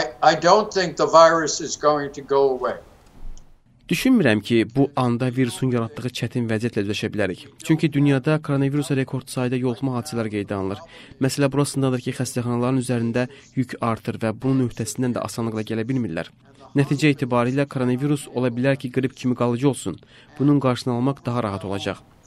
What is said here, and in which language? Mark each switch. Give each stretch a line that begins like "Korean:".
English: I don't think the virus is going to go away.
Azerbaijani: Düşünmürəm ki, bu anda virusun yaratdığı çətin vəziyyətlə üzləşə bilərik. Çünki dünyada koronavirusa rekord sayda yoluxma hadisələri qeydə alınır. Məsələ burasındadır ki, xəstəxanaların üzərində yük artır və bunun öhdəsindən də asanlıqla gələ bilmirlər. Nəticə itibarilə koronavirus ola bilər ki, qrip kimi qalıcı olsun. Bunun qarşısını almaq daha rahat olacaq.